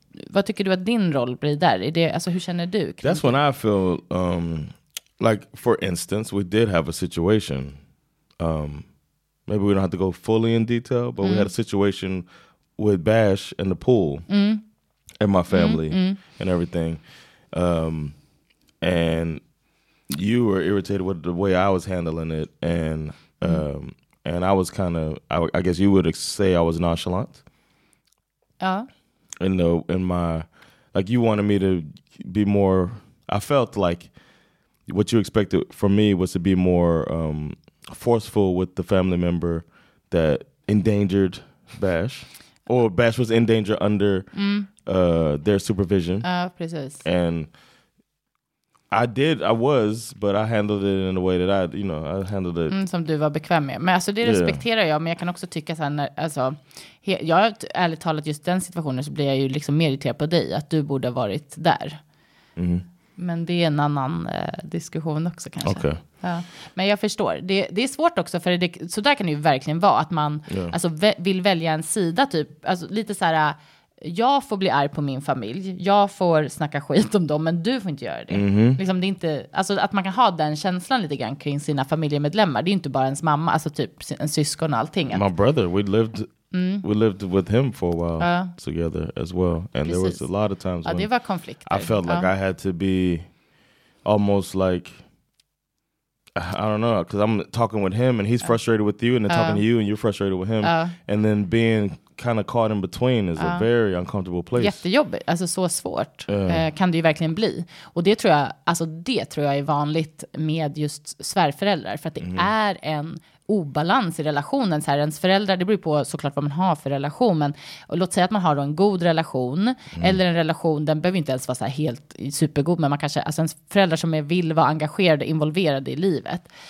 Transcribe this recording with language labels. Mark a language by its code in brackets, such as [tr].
[sv] Vad tycker du att din roll blir där? Är det, alltså hur känner du? [en] That's when I feel like, for instance, we did have a situation. Maybe we don't have to go fully in detail, but we had a situation with Bash in the pool and my family and everything. And you were irritated with the way I was handling it. And and I was kind of, I guess you would say I was nonchalant. Yeah. In my, like, you wanted me to be more, I felt like, what you expected from me was to be more forceful with the family member that endangered Bash, or Bash was in danger under their supervision. [sv] Precis. [en] And I was, but I handled it in a way that I handled it. [sv] Som du var bekväm med. Men alltså det respekterar jag, men jag kan också tycka så här, när, alltså, jag ärligt talat just den situationen så blir jag ju liksom mer irriterad på dig, att du borde ha varit där. Mm. Men det är en annan diskussion också kanske. [en] Okay. [sv] Ja. Men jag förstår. Det är svårt också. För det, så där kan det ju verkligen vara. Att man vill välja en sida. Typ, alltså, lite så här. Jag får bli arg på min familj. Jag får snacka skit om dem. Men du får inte göra det. Mm-hmm. Liksom, det är inte, alltså, att man kan ha den känslan lite grann kring sina familjemedlemmar. Det är inte bara ens mamma. Alltså typ en syskon och allting. [en] My brother. We lived with him for a while together as well. And precis. There was a lot of times when [sv] det var konflikter. [en] I felt like I had to be almost like, I don't know, because I'm talking with him and he's frustrated with you, and then talking to you and you're frustrated with him. And then being kind of caught in between is a very uncomfortable place. [sv] Jättejobbigt, alltså så svårt kan det ju verkligen bli. Och det tror jag, alltså det tror jag är vanligt med just svärföräldrar, för att det är en obalans i relationen. Så här, ens föräldrar, det beror på såklart vad man har för relation, men låt säga att man har då en god relation eller en relation, den behöver inte ens vara så här helt supergod, men man kanske, alltså ens föräldrar som vill vara engagerade, involverade i livet.